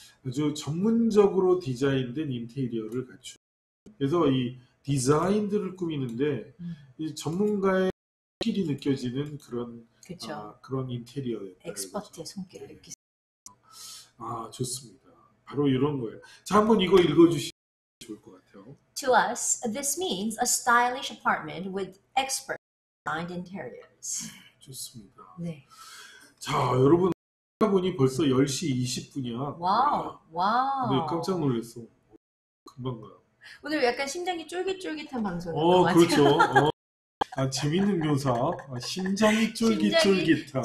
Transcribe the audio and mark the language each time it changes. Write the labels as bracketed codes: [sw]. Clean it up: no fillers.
[ko] 아주 전문적으로 디자인된 인테리어를 갖추고 그래서 이 디자인들을 꾸미는데 이 전문가의 손길이 느껴지는 그런 그렇죠. 그런 인테리어예요. 엑스퍼트의 손길을 느끼세요. 아, 좋습니다. 바로 이런 거예요. 자, 한번 이거 읽어주시면 좋을 것 같아요. [en] To us, this means a stylish apartment with expert designed interiors. [ko] 좋습니다. 네. 자, 여러분, 하다 보니 벌써 10시 20분이야. 와우, 와우. 네, 깜짝 놀랐어. 금방 가요. 오늘 약간 심장이 쫄깃쫄깃한 방송인 그렇죠. 아, 재밌는 묘사. 아, 심장이 쫄깃쫄깃한.